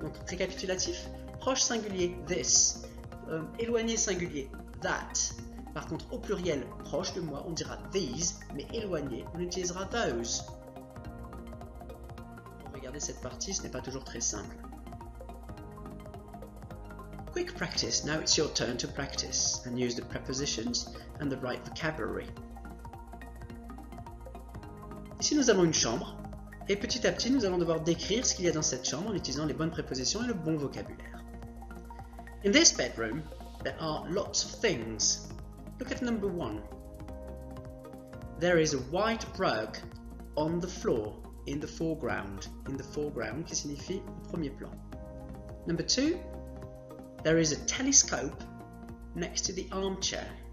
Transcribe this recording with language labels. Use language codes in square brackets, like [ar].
[fr] Donc, récapitulatif, proche singulier « This ». Éloigné singulier, that. Par contre, au pluriel, proche de moi, on dira these, mais éloigné, on utilisera those. Pour regarder cette partie, ce n'est pas toujours très simple. [en] Quick practice. Now it's your turn to practice and use the prepositions and the right vocabulary. [fr] Ici, nous avons une chambre, et petit à petit, nous allons devoir décrire ce qu'il y a dans cette chambre en utilisant les bonnes prépositions et le bon vocabulaire. [en] In this bedroom, there are lots of things. Look at number one. there is a white rug on the floor in the foreground. In the foreground, [fr] qui signifie au premier plan. [en] Number two, there is a telescope next to the armchair.